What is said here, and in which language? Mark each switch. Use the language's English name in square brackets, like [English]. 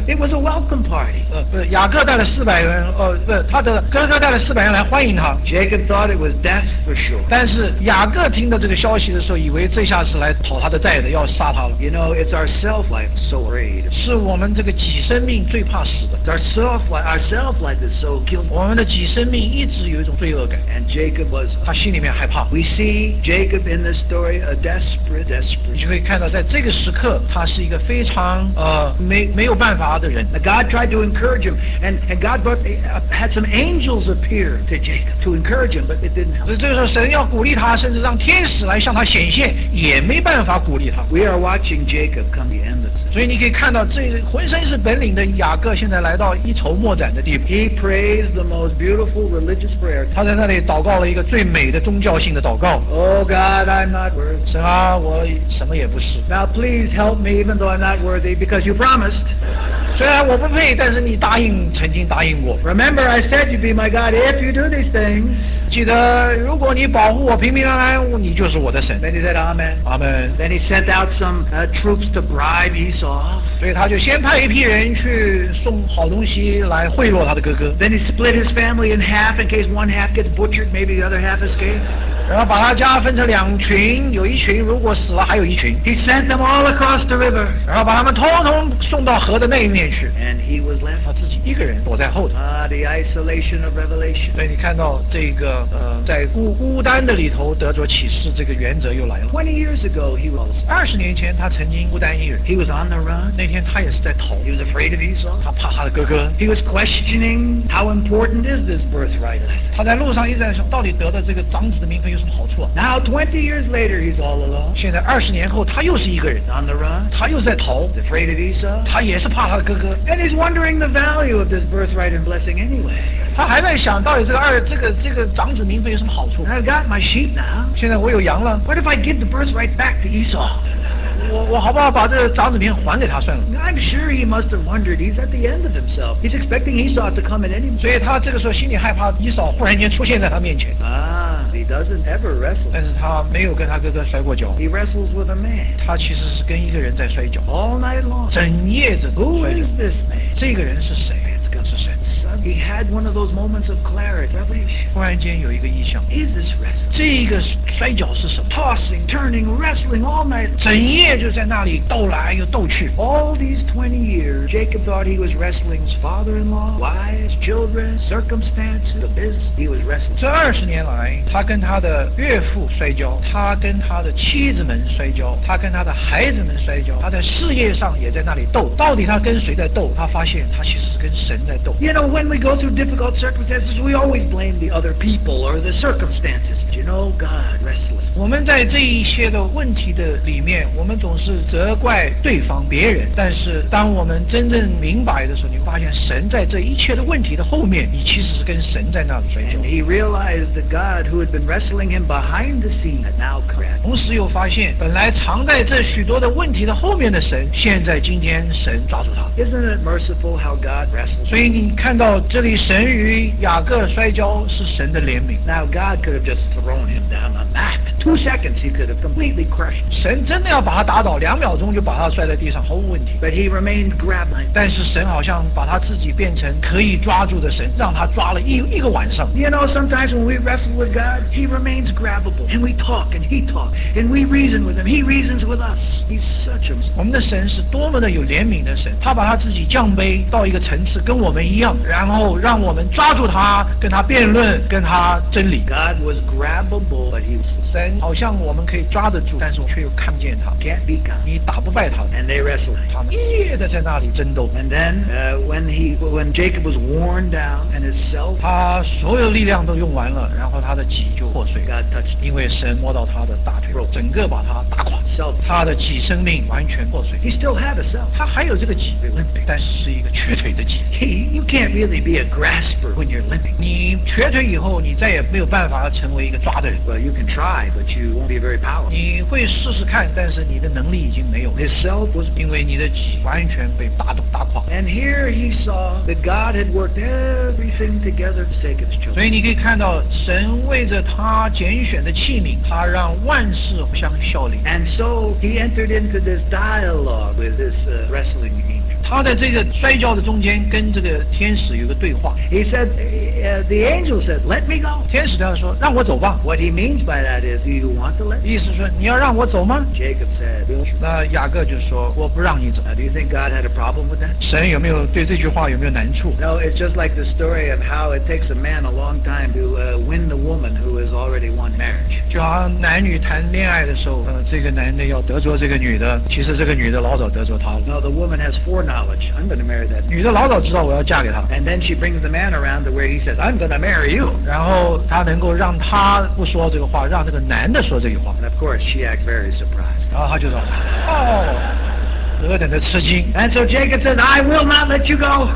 [English] It was a welcome party. [Chinese] 雅各带了四百人，他的哥哥带了四百人来欢迎他。 [English] Jacob thought it was death for sure. [Chinese] 但是雅各听到这个消息的时候，以为这下是来讨他的债的，要杀他了。 [English] You know, it's our self life so afraid. [Chinese] 是我们这个己生命最怕死的。 [English] Our self life is so guilty. [Chinese] 我们的己生命一直有一种罪恶感。 [English] And Jacob was. [Chinese] 他心里面害怕。 [English] We see Jacob in this story a desperate, desperate. [Chinese] 你就可以看到，在这个时刻，他是一个非常没有办法的人。 [English] Now God tried to encourage him, and God had some angels appear to Jacob to encourage him, but it didn't help. [Chinese] 所以这个时候，神要鼓励他，甚至让天使来向他显现，也没办法鼓励他。 [English] We are watching Jacob come to the end of this. [Chinese] 所以你可以看到，这浑身是本领的雅各现在来到一筹莫展的地步。 [English] He prays the most beautiful religious prayer. [Chinese] 他在那里祷告了一个最美的宗教性的祷告。 [English] Oh God, I'm not worthy. [Chinese] 神啊，我什么也不是。 [English] Now please help me, even though I'm not worthy, because you promised. [Chinese] 虽然我不配，但是你答应，曾经答应过。 [English] Remember, I said you'd be my God if you do these things. [Chinese] 记得，如果你保护我平平安安，你就是我的神。 [English] Then he said, Amen. Amen. Then he sent out some troops to bribe Esau. [Chinese] 所以他就先派一批人去送好东西来贿赂他的哥哥。 [English] Then he split his family in half in case one half gets butchered, maybe the other half escapes. [Chinese] 然后把他家分成两群，有一群如果死了，还有一群。 [English] He sent them all across the river. [Chinese] 然后把他们通通送到河的那一面去。 [English] And he was left. [Chinese] 他自己一个人躲在后头。 [English] The isolation of revelation. [Chinese] 所以你看到这个在孤单的里头得着启示，这个原则又来了。 [English] 20 years ago, he was. [Chinese] 二十年前他曾经孤单一人。 [English] He was on the run. [Chinese] 那天他也是在逃。 [English] He was afraid of Esau. [Chinese] 他怕他的哥哥。 [English] He was questioning how important is this birthright. [Chinese] 他在路上一直在想，到底得的这个长子的名分。 [English] Now 20 years later, he's all alone. [Chinese] 现在二十年后，他又是一个人。 [English] On the run. [Chinese] 他又在逃。 [English] Afraid of Esau. [Chinese] 他也是怕他的哥哥。 [English] And he's wondering the value of this birthright and blessing anyway. [Chinese] 他还在想到底这个长子名分有什么好处。 [English] I've got my sheep now. [Chinese] 现在我有羊了。 [English] What if I give the birthright back to Esau? [Chinese] 我好不好把这个长子名还给他算了？ [English] I'm sure he must have wondered. He's at the end of himself. He's expecting Esau to come at any moment. [Chinese] 所以他这个时候心里害怕，以扫忽然间出现在他面前。 [English] He doesn't ever wrestle. [Chinese] 但是他没有跟他哥哥摔过跤。 [English] He wrestles with a man. [Chinese] 他其实是跟一个人在摔跤。 [English] All night long. [Chinese] 整夜整个摔跤。 [English] Who is this man? [Chinese] 这个人是谁？这个是谁？ [English] He had one of those moments of clarity. [Chinese] 忽然间有一个意象。 [English] Is this wrestling? [Chinese] 这个摔跤是什么？ [English] Tossing, turning, wrestling all night. [Chinese] 整夜就在那里斗来又斗去。 [English] All these 20 years, Jacob thought he was wrestling his father-in-law, wives, children, circumstances, the business. He was wrestling. [Chinese] 这二十年来，他跟他的岳父摔跤，他跟他的妻子们摔跤，他跟他的孩子们摔跤，他在事业上也在那里斗。到底他跟谁在斗？他发现他其实是跟神在斗。 [English] You know, when we go through difficult circumstances, we always blame the other people or the circumstances. But you know, God wrestles. [Chinese] 我们在这一些的问题的里面，我们总是责怪对方、别人。但是当我们真正明白的时候，你会发现神在这一切的问题的后面，你其实是跟神在那里摔跤。 [English] And he realized that God who had been wrestling him behind the scene and now correct. [Chinese] 同时又发现本来藏在这许多的问题的后面的神，现在今天神抓住他。 [English] Isn't it merciful how God wrestles? [Chinese] 所以你看到这里神与雅各摔跤是神的怜悯。 [English] Now God could have just thrown him down on that. 2 seconds he could have completely crushed. [Chinese] 神真的要把他打倒，两秒钟就把他摔在地上毫无问题。 [English] But he remained grappling. [Chinese] 但是神好像把他自己变成可以抓住的神，让他抓了一个晚上。 [English] You know sometimes when we wrestle with God,He remains grabbable, and we talk, and he talks, and we reason with him. He reasons with us. He's such a [Chinese] 我们的神是多么的有怜悯的神，他把他自己降卑到一个层次，跟我们一样，然后让我们抓住他，跟他辩论，跟他真理。 [English] God was grabbable, but he was [Chinese] 神好像我们可以抓得住，但是我却又看不见他。 [English] Can't be God. [Chinese] 你打不败他。 [English] And they wrestled. [Chinese] 他们一夜的在那里争斗。 [English] And then, when Jacob was worn down and his self, [Chinese] 他所有力量都用完了，然后他的。 [English] God touched. [Chinese] 因为神摸到他的大腿，整个把他打垮。 [English] self. [Chinese] 他的己生命完全破碎。 [English] He still had a self. [Chinese] 他还有这个己。 [English] Limping. [Chinese] 但是是一个瘸腿的己。 [English] You can't really be a grasper when you're limping. [Chinese] 你瘸腿以后，你再也没有办法成为一个抓的人。 [English] Well, you can try, but you won't be very powerful. [Chinese] 你会试试看，但是你的能力已经没有了。 [English] His self was [Chinese] 因为你的己完全被打动打垮。 [English] And here he saw that God had worked everything together to save his children. [Chinese] 所以你可以看到，神为着他拣选的器皿，他让万事互相效力。 [English] And so he entered into this dialogue with this wrestling angel. [Chinese] 他在这个摔跤的中间跟这个天使有个对话。 [English] He said, the angel said, let me go. [Chinese] 天使对他说，让我走吧。 [English] What he means by that is, do you want to let me go? [Chinese] 意思说，你要让我走吗？ [English] Jacob said, [Chinese] 那雅各就说，我不让你走。 [English] Now, do you think God had a problem with that? [Chinese] 神有没有对这句话有没有难处？ [English] No, it's just like the story of how it takes a man a long time to win the woman who has already won marriage. [Chinese] 就好像男女谈恋爱的时候，这个男的要得着这个女的，其实这个女的老早得着他了。 [English] No, the woman has foreknowledge. I'm going to marry that. [Chinese] 女的老早知道我要嫁给他。 [English] And then she brings the man around to where he says, I'm going to marry you. [Chinese] 然后他能够让他不说这个话，让这个男的说这句话。 [English] And of course, she acts very surprised. [Chinese] 然后他就说，哦。何等的吃惊。 [English] And so Jacob said, I will not let you go.